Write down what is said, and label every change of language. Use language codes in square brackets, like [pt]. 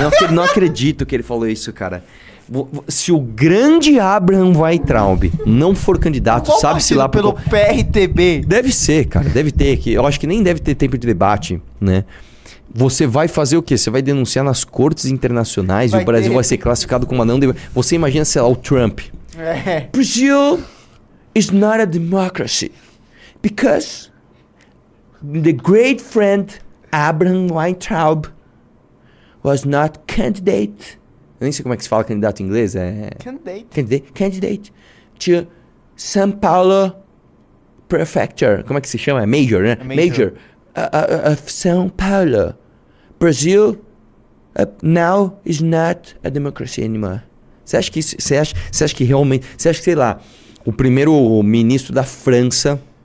[pt] Não acredito que ele falou isso, cara. Se o grande Abraham Weintraub não for candidato, sabe-se lá... Pelo PRTB. Deve ser, cara. Deve ter. Que eu acho que nem deve ter tempo de debate, né? Você vai fazer o quê? Você vai denunciar nas cortes internacionais e o Brasil vai ser classificado como uma não democracia. Você imagina, sei lá, o Trump. Brasil... [en] It's not a democracy, because the great friend Abraham Weintraub was not candidate. [pt] Eu nem sei como é que se fala candidato em inglês. [en] Candidate to São Paulo Prefecture. [pt] Como é que se chama? Major, né? [en] Major. Of São Paulo. Brazil now is not a democracy anymore. [pt] Você acha que realmente, sei lá, o primeiro ministro da França